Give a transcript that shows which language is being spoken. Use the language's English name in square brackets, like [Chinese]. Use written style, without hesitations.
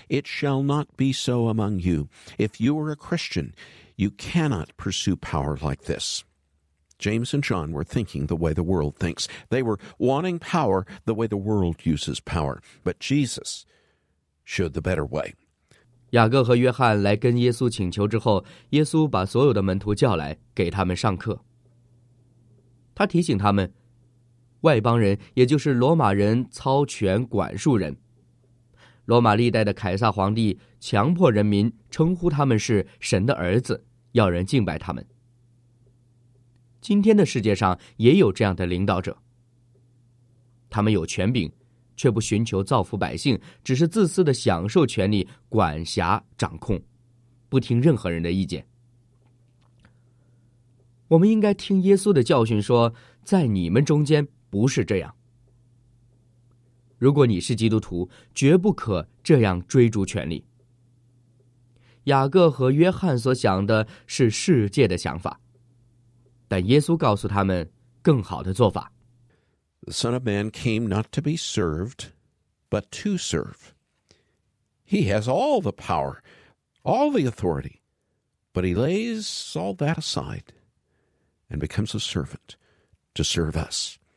[English] It shall not be so among you. If you are a Christian, you cannot pursue power like this. James and John were thinking the way the world thinks. They were wanting power the way the world uses power. But Jesus showed the better way. [Chinese] 雅各和约翰来跟耶稣请求之后，耶稣把所有的门徒叫来，给他们上课。他提醒他们，外邦人，也就是罗马人操权管束人。罗马历代的凯撒皇帝强迫人民称呼他们是神的儿子，要人敬拜他们。今天的世界上也有这样的领导者，他们有权柄，却不寻求造福百姓，只是自私地享受权力、管辖、掌控，不听任何人的意见。我们应该听耶稣的教训说，在你们中间不是这样。如果你是基督徒，绝不可这样追逐权力。雅各和约翰所想的是世界的想法，但耶稣告诉他们更好的做法。 [English] The Son of Man came not to be served, but to serve. He has all the power, all the authority, but he lays all that aside and becomes a servant to serve us.